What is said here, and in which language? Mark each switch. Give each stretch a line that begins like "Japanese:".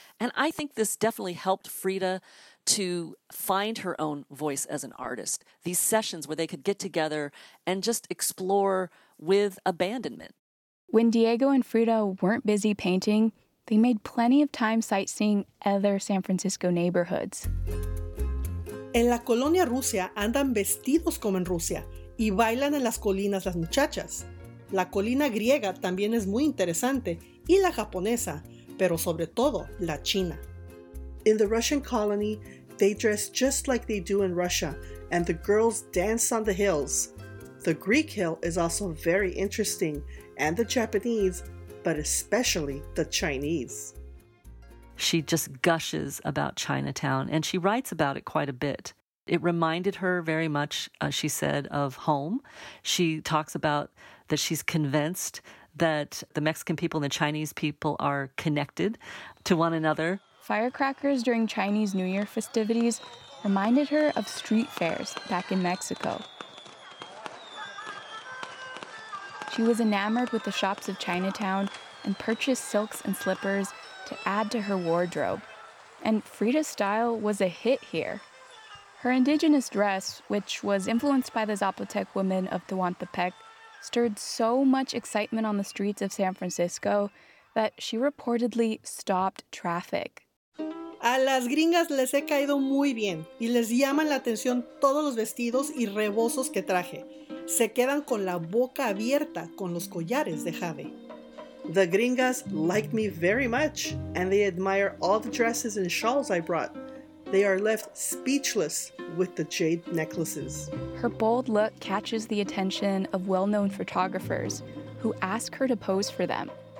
English: And I think this definitely helped Frida to find her own voice as an artist. These sessions where they could get together and just explore with abandonment. When Diego and Frida weren't busy painting, they made plenty of time sightseeing other San Francisco neighborhoods.
Spanish: En la colonia Rusia andan vestidos como en Rusia y bailan en las colinas las muchachas. La colina griega también es muy interesante y la japonesa, pero sobre todo la china.
English: In the Russian colony, they dress just like they do in Russia, and the girls dance on the hills. The Greek hill is also very interesting, and the Japanese, but especially the Chinese. She just gushes about Chinatown, and she writes about it quite a bit. It reminded her very much, she said, of home. She talks about that she's convinced that the Mexican people and the Chinese people are connected to one another. Firecrackers during Chinese New Year festivities reminded her of street fairs back in Mexico. She was enamored with the shops of Chinatown and purchased silks and slippers to add to her wardrobe. And Frida's style was a hit here. Her indigenous dress, which was influenced by the Zapotec women of Tehuantepec, stirred so much excitement on the streets of San Francisco that she reportedly stopped traffic.
Spanish: A las gringas les he caído muy bien y les llaman la atención todos los vestidos y rebozos que traje. Se quedan con la boca abierta con los collares de jade.
English: The gringas like me very much and they admire all the dresses and shawls I brought. They are left speechless with the jade necklaces. Her bold look catches the attention of well-known photographers who ask her to pose for them.